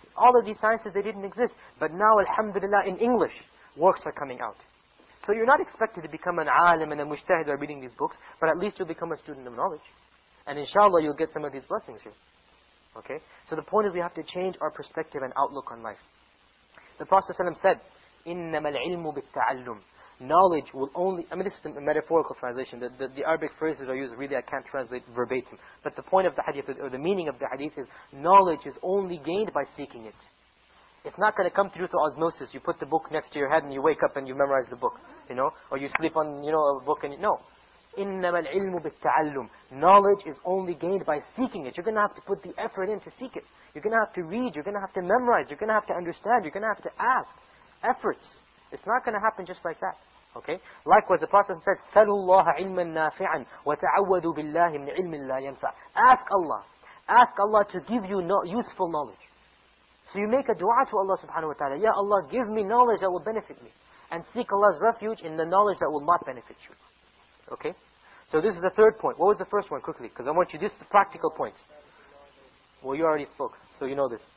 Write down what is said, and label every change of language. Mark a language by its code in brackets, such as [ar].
[en] All of these sciences, they didn't exist. But now, alhamdulillah, in English, works are coming out. So you're not expected to become an alim and a mujtahid by reading these books, but at least you'll become a student of knowledge. And inshallah, you'll get some of these blessings here. Okay? So the point is we have to change our perspective and outlook on life. The Prophet ﷺ said, [ar] إِنَّمَا الْعِلْمُ بِالتَّعَلُّمُ. [en] Knowledge will only... I mean, this is a metaphorical translation. The Arabic phrases I use, really I can't translate verbatim. But the point of the hadith, or the meaning of the hadith is, knowledge is only gained by seeking it. It's not going to come through osmosis. You put the book next to your head and you wake up and you memorize the book, you know? Or you sleep on, you know, a book and you... No. [ar] إِنَّمَا الْعِلْمُ بِالتَّعَلُّمُ. [en] Knowledge is only gained by seeking it. You're going to have to put the effort in to seek it. You're going to have to read. You're going to have to memorize. You're going to have to understand. You're going to have to ask. Efforts. It's not going to happen just like that. Okay? Likewise, the Prophet said, [ar] سَلُوا اللَّهَ عِلْمًا نَافِعًا وَتَعَوَّذُوا بِاللَّهِ مِنْ عِلْمٍ لَا يَنْفَعَ. [en] Ask Allah. Ask Allah to give you useful knowledge. So you make a dua to Allah subhanahu wa ta'ala. Ya Allah, give me knowledge that will benefit me. And seek Allah's refuge in the knowledge that will not benefit you. Okay? So this is the third point. What was the first one, quickly? Because I want you, this is the practical point. Well, you already spoke, so you know this.